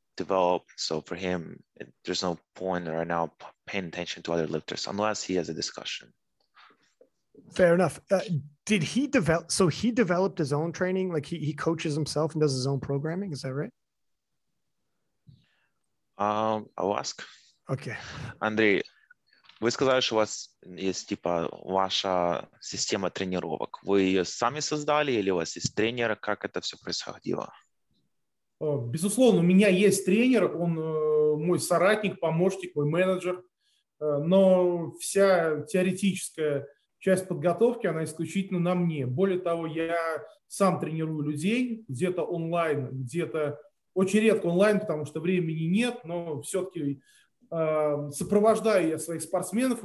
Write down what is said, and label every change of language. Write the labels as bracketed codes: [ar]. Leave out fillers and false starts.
[en] develop. So for him, there's no point right now paying attention to other lifters unless he has a discussion. Fair enough. Did he develop? So he developed his own training. Like he coaches himself and does his own programming. Is that right? I'll ask. Okay. [uk] Андрій, ви сказали, що у вас є типа ваша система тренувань. Ви її самі [ru] создали, или [uk] у вас є тренер? Як це все відбувалося? [ru] Безусловно, у меня есть тренер, он мой соратник, помощник, мой менеджер. Но вся теоретическая часть подготовки, она исключительно на мне. Более того, я сам тренирую людей, где-то онлайн, где-то очень редко онлайн, потому что времени нет, но все-таки сопровождаю я своих спортсменов.